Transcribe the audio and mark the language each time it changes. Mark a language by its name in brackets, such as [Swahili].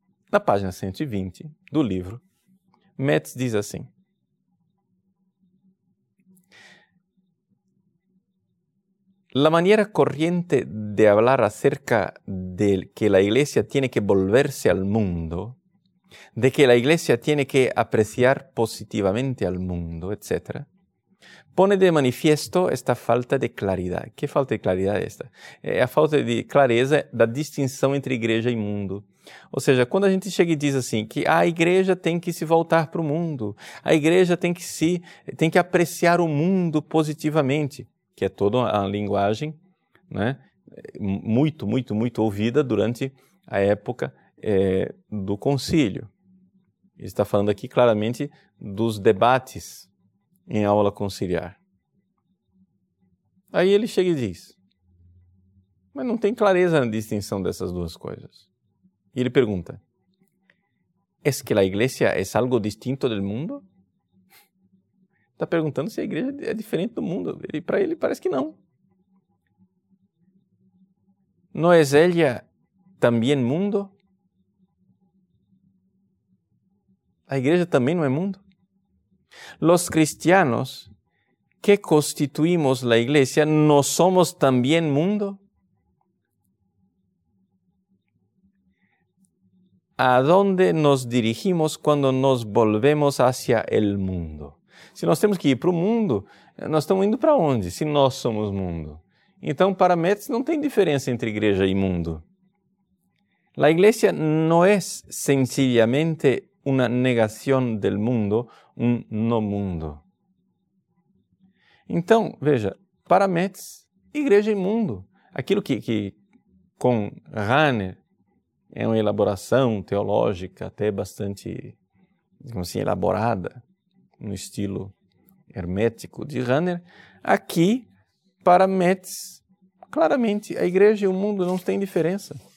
[Portuguese] Na página 120 do livro, Metz diz assim, [Spanish] la manera corriente de hablar acerca de que la Iglesia tiene que volverse al mundo, de que la Iglesia tiene que apreciar positivamente al mundo, etc., pone de manifiesto esta falta de claridad. ¿Qué falta de claridad es esta? Es la falta de clareza de la distinción entre Iglesia y mundo. [Portuguese] Ou seja, quando a gente chega e diz assim, que a Igreja tem que se voltar para o mundo, a Igreja tem que apreciar o mundo positivamente, que é toda a linguagem, né, muito, muito, muito ouvida durante a época do concílio. Ele está falando aqui claramente dos debates em aula conciliar. Aí ele chega e diz, mas não tem clareza na distinção dessas duas coisas. E ele pergunta, [Spanish] es que la Iglesia es algo distinto del mundo? [Portuguese] está perguntando se a igreja é diferente do mundo. E para ele parece que não. [Spanish] ¿No es ella también mundo? ¿La iglesia también no es mundo? Los cristianos que constituimos la iglesia, ¿no somos también mundo? ¿A dónde nos dirigimos cuando nos volvemos hacia el mundo? Si nos tenemos que ir para el mundo, ¿nos estamos indo para dónde si no somos mundo? [Portuguese] Então, para Metz, não tem diferença entre igreja e mundo. [Spanish] La iglesia no es sencillamente una negación del mundo, un no mundo. [Portuguese] Então, veja, para Metz, igreja e mundo. Aquilo que com Rahner é uma elaboração teológica até bastante, digamos assim, elaborada no estilo hermético de Rahner, aqui, para Metz, claramente, a igreja e o mundo não têm diferença.